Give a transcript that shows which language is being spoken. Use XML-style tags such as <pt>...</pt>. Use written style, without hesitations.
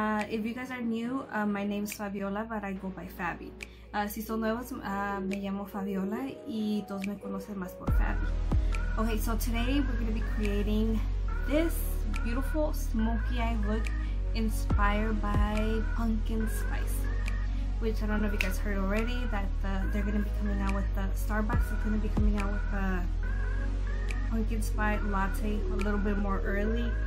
<en>If you guys are new, my name is Fabiola, but I go by Fabi.</en> <es>Si son nuevos, me llamo Fabiola y todos me conocen más por Fabi.</es> <en>Okay, so today we're going to be creating this beautiful smoky eye look inspired by pumpkin spice, which I don't know if you guys heard already that they're going to be coming out with the Starbucks is going to be coming out with the pumpkin spice latte a little bit more early.</en>